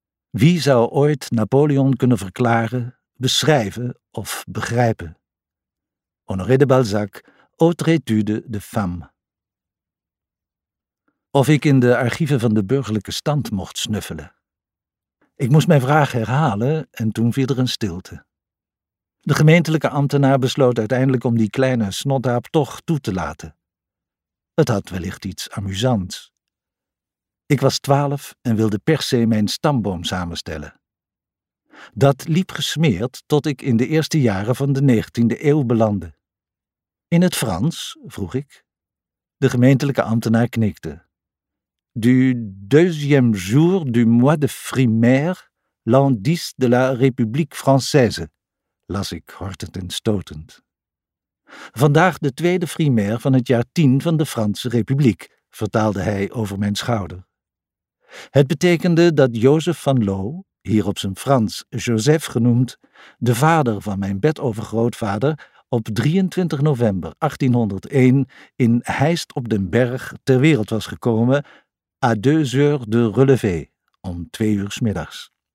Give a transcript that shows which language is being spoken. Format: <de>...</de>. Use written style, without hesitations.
<nl>Wie zou ooit Napoleon kunnen verklaren, beschrijven of begrijpen?</nl> <fr>Honoré de Balzac, Autre étude de femme.</fr> <nl>Of ik in de archieven van de burgerlijke stand mocht snuffelen. Ik moest mijn vraag herhalen en toen viel er een stilte. De gemeentelijke ambtenaar besloot uiteindelijk om die kleine snothaap toch toe te laten. Het had wellicht iets amusants. Ik was 12 en wilde per se mijn stamboom samenstellen. Dat liep gesmeerd tot ik in de eerste jaren van de 19e eeuw belandde. In het Frans, vroeg ik. De gemeentelijke ambtenaar knikte.</nl> <fr>Du deuxième jour du mois de frimaire, l'an 10 de la République française,</fr> <nl>las ik hortend en stotend. Vandaag de tweede frimaire van het jaar 10 van de Franse Republiek, vertaalde hij over mijn schouder. Het betekende dat Jozef van Loo, hier op zijn Frans Joseph genoemd, de vader van mijn bedovergrootvader, op 23 november 1801 in Heist op den Berg ter wereld was gekomen,</nl> <fr>à deux heures de relevé,</fr> <nl>om 2 uur 's middags.</nl>